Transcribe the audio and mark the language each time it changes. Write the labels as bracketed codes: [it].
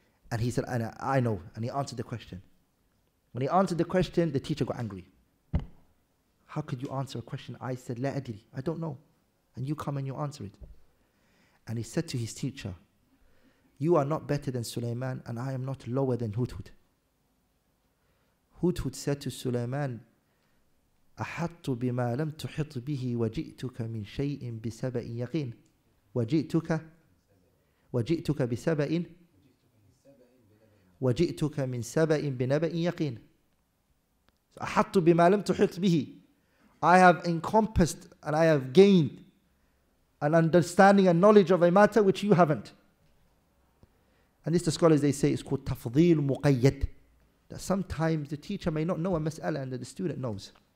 [en] And he said, I know. And he answered the question. When he answered the question, the teacher got angry. How could you answer a question? I said, La adri. I don't know. And you come and you answer it. And he said to his teacher, you are not better than Sulaiman, and I am not lower than Hudhud. Hudhud said to Sulaiman, [ar] أحط بما لم تحط به وجئتك من شيء بسبأ يقين وجئتك بسبأ وجئتك من سبأ بنبأ يقين. أحط بما لم تحط به. [en] I have encompassed and I have gained an understanding and knowledge of a matter which you haven't. And this, the scholars, they say, is called tafdhil muqayyad. That sometimes the teacher may not know a mas'ala and that the student knows.